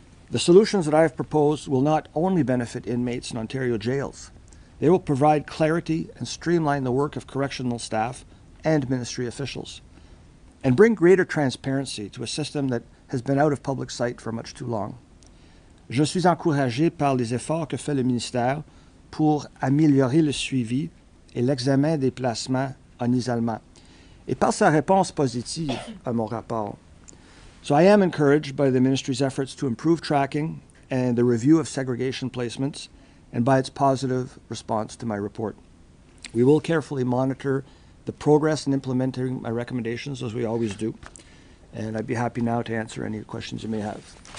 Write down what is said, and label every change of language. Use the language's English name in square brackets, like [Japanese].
[English] The solutions that I have proposed will not only benefit inmates in Ontario jails, they will provide clarity and streamline the work of correctional staff and ministry officials, and bring greater transparency to a system that has been out of public sight for much too long. [French] Je suis encouragé par les efforts que fait le ministère pour améliorer le suivi et l'examen des placements en isolement, et par sa réponse positive à mon rapport. [English] So I am encouraged by the ministry's efforts to improve tracking and the review of segregation placements, and by its positive response to my report. We will carefully monitor the progress in implementing my recommendations, as we always do. And I'd be happy now to answer any questions you may have.